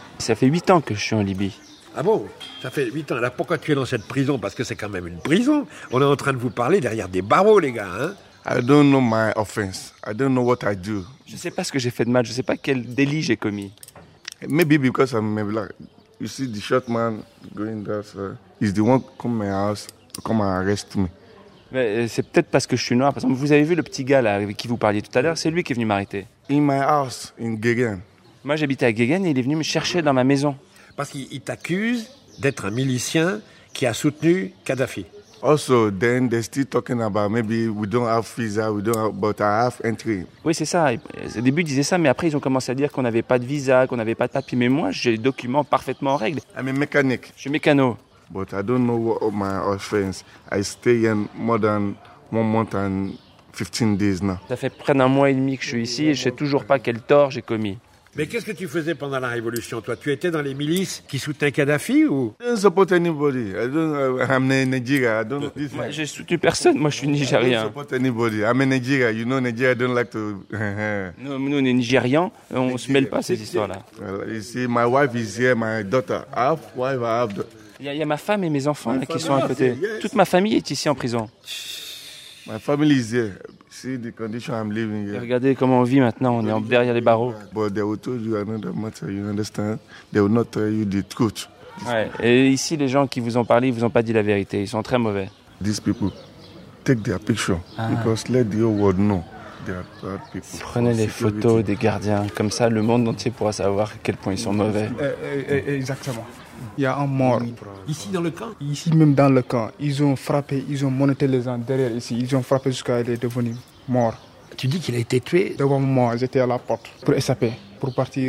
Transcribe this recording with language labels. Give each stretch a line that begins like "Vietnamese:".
French: Ça fait 8 ans que je suis en Libye. Ah bon? Ça fait 8 ans. Alors pourquoi tu es dans cette prison? Parce que c'est quand même une prison. On est en train de vous parler derrière des barreaux, les gars. Hein?
English: I don't know my offense. I don't know what I do.
French: Je ne sais pas ce que j'ai fait de mal. Je ne sais pas quel délit j'ai commis.
English: Maybe because I'm black. You see, the short man going there, so he's the one come to my house, come and arrest me.
French: Mais c'est peut-être parce que je suis noir. Par exemple, vous avez vu le petit gars là, avec qui vous parliez tout à l'heure? C'est lui qui est venu m'arrêter.
English: In my house, in Guéguen.
French: Moi, j'habitais à Guéguen et il est venu me chercher dans ma maison. Parce qu'il t'accuse d'être un milicien qui a soutenu Kadhafi.
English: Also, then they're still talking about maybe we don't have visa, we don't have, but I have entry.
French: Oui, c'est ça. Au début, ils disaient ça, mais après, ils ont commencé à dire qu'on n'avait pas de visa, qu'on n'avait pas de papier. Mais moi, j'ai les documents parfaitement en règle.
English: I'm a mechanic.
French: Je suis mécano.
English: But I don't know what my offense. I stay here more than 1 month and 15 days now.
French: Ça fait près d'un mois et demi que je suis ici et je sais toujours pas quel tort j'ai commis. Mais qu'est-ce que tu faisais pendant la révolution, toi? Tu étais dans les milices qui soutenaient Kadhafi ou?
English: I don't support anybody. I don't. I'm a Nigerian. I don't.
French: This... Moi, j'ai soutenu personne. Moi, je suis Nigérien.
English: I don't support anybody. I'm a Nigerian. You know, Nigeria don't like to.
French: Nous, on est Nigérians. On se mêle pas ces histoires-là.
English: You see, my wife is here. My daughter. I have wife. I have.
French: Il y a ma femme et mes enfants là, qui sont à côté. Toute ma famille est ici en prison.
English: My family is here. See the condition I'm living here.
French: Regardez comment on vit maintenant. On est derrière les barreaux.
English: But they will tell you another matter. You understand? They will not tell you the truth.
French: Ouais. Et ici, les gens qui vous ont parlé, ils vous ont pas dit la vérité. Ils sont très mauvais.
English: These people take their picture because let the whole world know they are bad people.
French: Prenez les photos des gardiens. Comme ça, le monde entier pourra savoir à quel point ils sont mauvais. Exactement. Il y a un mort. Ici, dans le camp? Ici, même dans le camp. Ils ont frappé, ils ont monté les gens derrière ici. Ils ont frappé jusqu'à ce qu'il est devenu mort. Tu dis qu'il a été tué? Devant moi, ils étaient à la porte pour échapper, pour partir.